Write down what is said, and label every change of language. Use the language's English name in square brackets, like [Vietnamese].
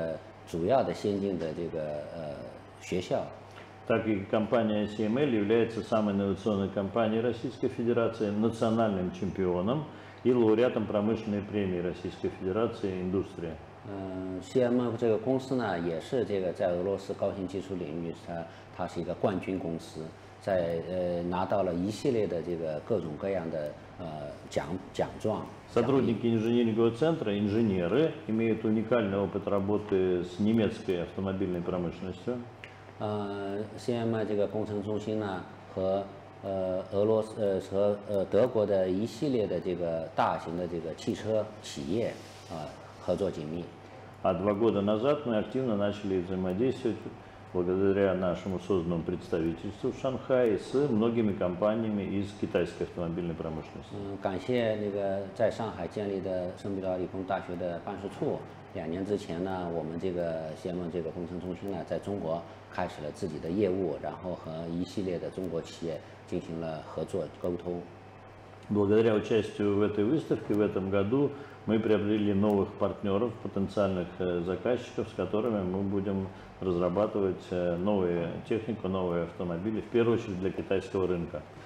[Chinese] 同样作为这个俄罗斯的这个联邦的这个主要的先进的这个学校。 [Russian] Так и компания CML является самой инновационной компанией Российской Федерации, национальным чемпионом и лауреатом промышленной премии Российской Федерации индустрии. [Chinese] CML 这个公司呢，也是这个在俄罗斯高新技术领域，它是一个冠军公司，在拿到了一系列的这个各种各样的奖状。 [Russian] Сотрудники инженерного центра, инженеры, имеют уникальный опыт работы с немецкой автомобильной промышленностью. [Chinese] CML 这个工程中心呢，和俄罗斯和德国的一系列的这个大型的这个汽车企业合作紧密。 [Russian] А два года назад мы активно начали взаимодействовать благодаря нашему созданному представительству в Шанхае с многими компаниями из китайской автомобильной промышленности. [Chinese] 开始了自己的业务，然后和一系列的中国企业进行了合作沟通。 [Russian] Благодаря участию в этой выставке в этом году мы приобрели новых партнеров, потенциальных заказчиков, с которыми мы будем разрабатывать новую технику, новые автомобили, в первую очередь для китайского рынка.